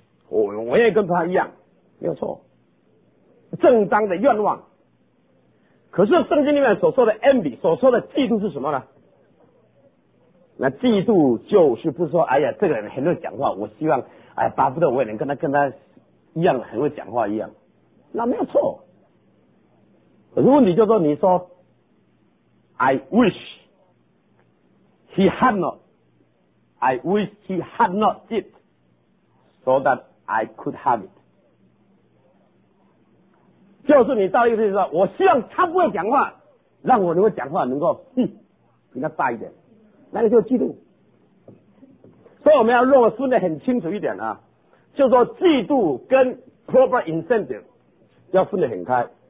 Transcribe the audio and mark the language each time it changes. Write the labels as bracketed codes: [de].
[zh] 我也跟他一样，没有错，正当的愿望。可是圣经里面所说的 envy， 所说的嫉妒是什么呢？那嫉妒就是不说，哎呀，这个人很会讲话，我希望，哎，巴不得我也能跟他一样很会讲话一样，那没有错。可是问题就是说，你说 [en] ，I wish he had not, I wish he had not did, so that I could have it。 [zh] 就是你到一个地方说，我希望他不会讲话，让我能够讲话，能够比他大一点。那个就是嫉妒，所以我们要若分得很清楚一点啊，就说嫉妒跟 proper incentive 要分得很开。